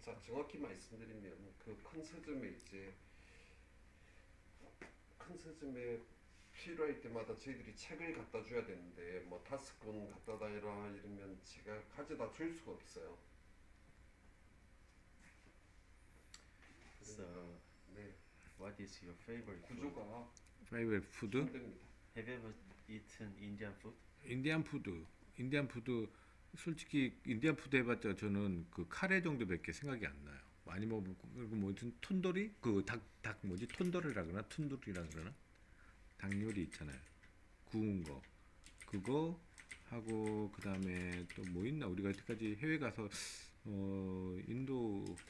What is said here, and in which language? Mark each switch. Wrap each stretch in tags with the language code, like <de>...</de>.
<ko>자, 정확히 말씀드리면 그큰 서점에 이제 큰 서점에 필요할 때마다 저희들이 책을 갖다 줘야 되는데 뭐 다섯 권 갖다 달라 이러면 제가 가져다 줄 수가 없어요. 그래서</ko> <en>So,</en> <ko>네.</ko> <en>what is your favorite food?</en> <ko>구조가</ko> <en>Favorite food?</en> <ko>힘듭니다.</ko> <en>Have you ever eaten Indian food? Indian food.</en> <ko>솔직히 인디안 푸드 해봤자 저는 그 카레 정도밖에 생각이 안 나요. 많이 먹고 그리고 뭐든 톤도리 그닭닭 뭐지 톤도리라 그러나 툰두리라 그러나 닭 요리 있잖아요. 구운 거 그거 하고 그 다음에 또뭐 있나 우리가 여태까지 해외 가서 인도</ko>